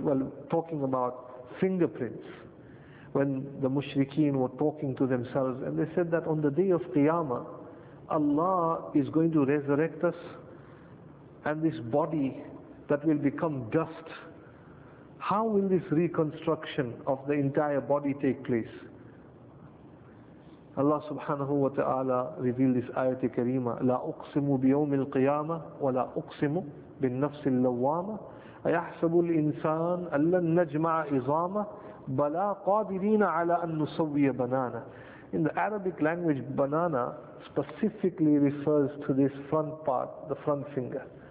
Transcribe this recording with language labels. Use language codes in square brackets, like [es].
[en] Well, talking about fingerprints, when the mushrikeen were talking to themselves and they said that on the day of Qiyamah, Allah is going to resurrect us, and this body that will become dust, how will this reconstruction of the entire body take place? Allah subhanahu wa ta'ala revealed this ayat kareema, [ar] لا أقسم بيوم القيامة ولا أقسم بالنفس اللوامة أيحسب الإنسان أن لن نجمع عظامة بلا قادرين على أن نسوي بنانا. [en] In the Arabic language, banana specifically refers to this front part, the front finger.